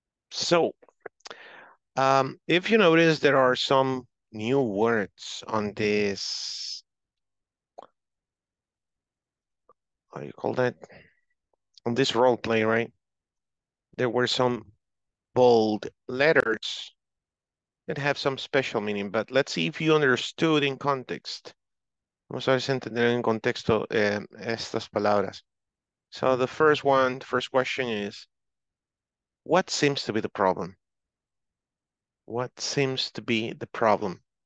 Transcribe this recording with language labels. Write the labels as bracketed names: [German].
[English] So, if you notice, there are some new words on this. How do you call that? On this role play, right? There were some bold letters that have some special meaning, but let's see if you understood in context. [Spanish] Vamos a ver si entender en contexto estas palabras. [English] So the first one, the first question is, what seems to be the problem? What seems to be the problem?